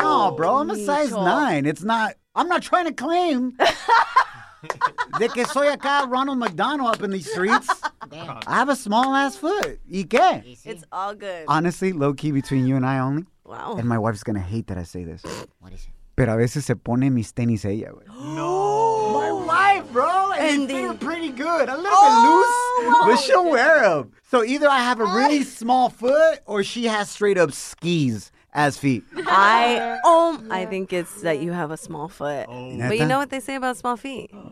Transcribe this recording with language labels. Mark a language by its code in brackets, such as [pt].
[en] No, bro, I'm a size 9. It's not, I'm not trying to claim [es] de que soy acá [en] Ronald McDonald up in these streets. Damn. I have a small ass foot. [es] ¿Y qué? [en] It's all good. Honestly, low key between you and I only. Wow. And my wife's going to hate that I say this. What is it? [es] Pero a veces se pone mis tenis ella, güey. [en] No! My wife, bro! And they feel pretty good. A little bit loose, but she'll wear them. So either I have a really small foot, or she has straight up skis as feet. I think it's that you have a small foot. Oh. But you know what they say about small feet?